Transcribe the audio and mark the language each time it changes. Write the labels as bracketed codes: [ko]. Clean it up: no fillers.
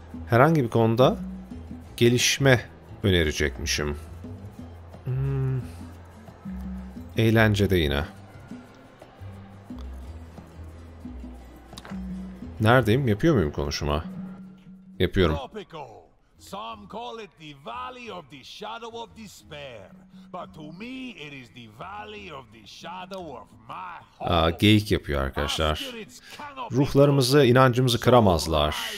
[tr] Herhangi bir konuda gelişme önerecekmişim. Eğlencede yine. Neredeyim? Yapıyor muyum konuşuma? Yapıyorum. [en] Some call it the valley of the shadow of despair, but to me it is the valley of the shadow of my hope. [tr] Geyik yapıyor arkadaşlar. Ruhlarımızı, inancımızı kıramazlar.